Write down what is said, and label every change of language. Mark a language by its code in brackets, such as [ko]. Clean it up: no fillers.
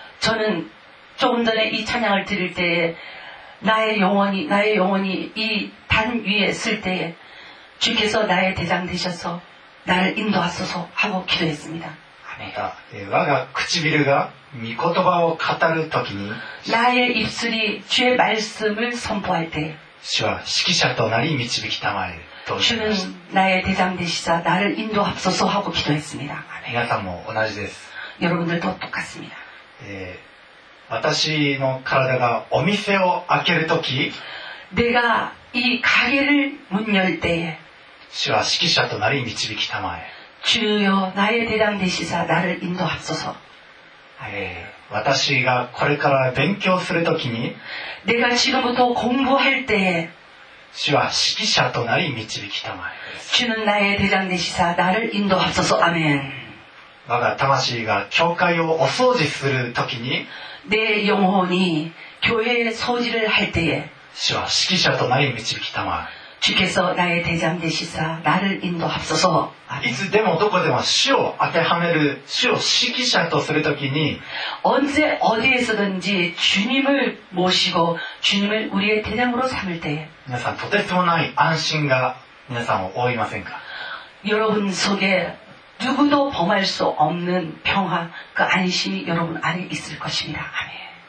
[ko] 저는조금전에이찬양을드릴때에나의영혼이나의영혼이이단위에쓸때에주께서나의대장되셔서나를인도하소서하고기도했습니다 [ja] 아멘我が唇が御言葉を語る時に [ko] 나의입술이주의말씀을선포할때에 [ja] 主は指揮者となり導きたまえ [ko] 주는나의대장되시사나를인도합소서하고기도했습니다 [ja] 皆さんも同じです [ko] 여러분들도똑같습니다 [ja] 私の体がお店を開けるとき [ko] 내가이가게를문열때에 [ja] 主は指揮者となり導きたまえ [ko] 주여나의대장되시사나를인도합소서 [ja] 私がこれから勉強するときに [ko] 내가지금부터공부할때에 [ja] 主は指揮者となり導きたまえ [ko] 주는나의대장되시사나를인도합소서아멘 [ja] 我が魂が教会をお掃除するときに [ko] 내영혼이교회의掃除를할때에 [ja] 主は指揮者となり導きたまえ [ko] 주께서나의대장되시사나를인도합소서 [ja] いつでもどこでも主を当てはめる主を指揮者とするときに [ko] 언제어디에서든지주님을모시고주님을우리의대장으로삼을때에 [ja] 皆さんとてつもない安心が皆さんを覆いませんか [ko] 여러분속에누구도범할수없는평화그안심이여러분안에있을것입니다아멘